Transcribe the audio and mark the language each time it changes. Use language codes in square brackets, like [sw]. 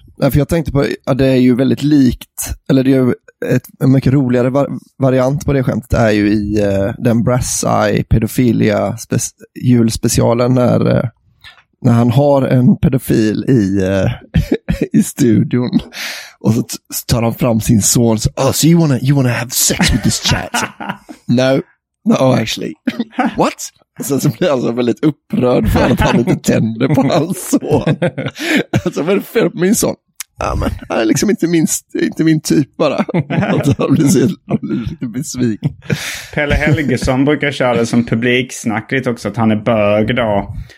[sv] För jag tänkte på att det är ju väldigt likt, eller det är ju en mycket roligare variant på det skämtet, det är ju i den Brass Eye pedofilia julspecialen när han har en pedofil i i studion. Och så tar han fram sin son. [en] Så, oh, so you wanna have sex with this chat? No. No, actually. What? [sv] Och sen så blir han så väldigt upprörd för att han inte tänder på hans son. Alltså, vad är det fel på min son? Ja, men han är liksom inte min typ bara. Alltså, han blir lite besviken. Pelle Helgeson brukar köra det som publiksnackligt också, att han är bög då.